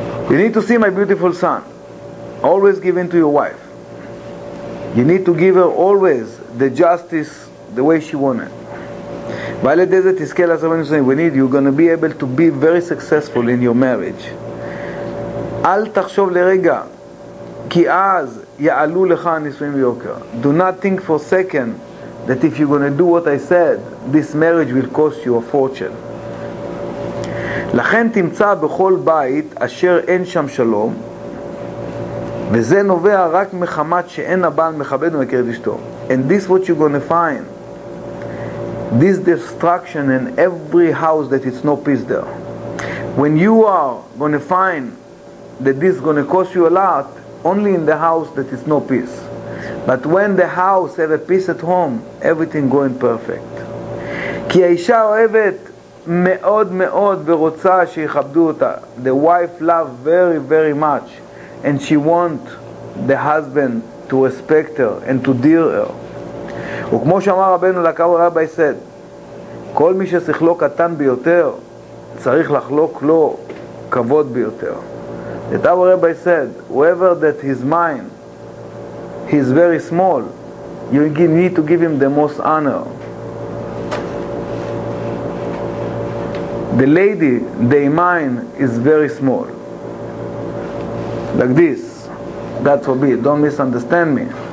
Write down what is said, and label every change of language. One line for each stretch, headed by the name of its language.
English: You need to see, my beautiful son, always give in to your wife. You need to give her always the justice the way she wants it. While it is a tiskel, as I'm saying, we need, you're going to be able to be very successful in your marriage.
Hebrew: אל תחשוב לרגע, כי אז יעלו לך הנישואים ביוקר.
English: Do not think for a second that if you're going to do what I said, this marriage will cost you a fortune.
Hebrew: לכן תמצא בכל בית אשר אין שם שלום, וזה נובע רק מחמת שאין הבעל מכבד ומכיר את אשתו.
English: And this is what you're going to find. This destruction in every house, that it's no peace there. When you are going to find that this is going to cost you a lot, only in the house that it's no peace. But when the house have a peace at home, everything going perfect.
Hebrew: כי האישה אוהבת מאוד מאוד ורוצה שיכבדו אותה.
English: The wife love very, very much. And she want the husband to respect her and to dear her.
Hebrew: וכמו שאמר רבנו לקרוא רבי סד, כל מי ששכלו קטן ביותר צריך לחלוק לו כבוד ביותר. את אבו רבי סד,
English: whoever that his mind he's very small, you need to give him the most honor. The lady, the mind is very small. Like this, God forbid, don't misunderstand me.